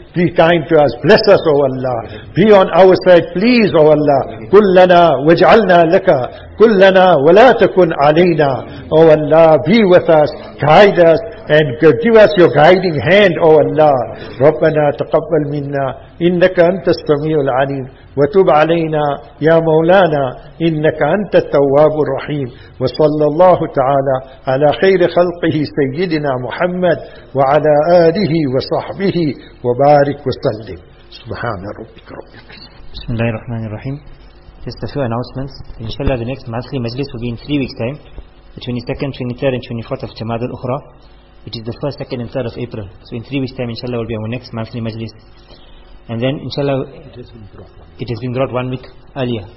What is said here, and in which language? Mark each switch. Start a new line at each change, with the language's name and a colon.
English: Be kind to us, bless us, O Allah. Be on our side, please, O Allah.
Arabic: Kullana waj'alna laka, kullana wa la takun alayna.
English: O Allah, be with us, guide us, and give us your guiding hand, O Allah.
Arabic: Rabbana taqabbal minna, innaka antas samiul alim. وتب علينا يا مولانا إنك أنت التواب الرحيم وصلى الله تعالى على خير خلقه سيدنا محمد وعلى آله وصحبه وبارك وسلم سبحان ربك رب العزة. بسم الله الرحمن الرحيم.
English: Just a few announcements. Inshallah, the next monthly majlis will be in 3 weeks time, the 22nd, 23rd and 24th of Jamad al-Ukhra, which is the 1st, 2nd and 3rd of April. So in 3 weeks time, inshallah, will be our next monthly majlis. And then, inshallah, it has been brought 1 week earlier.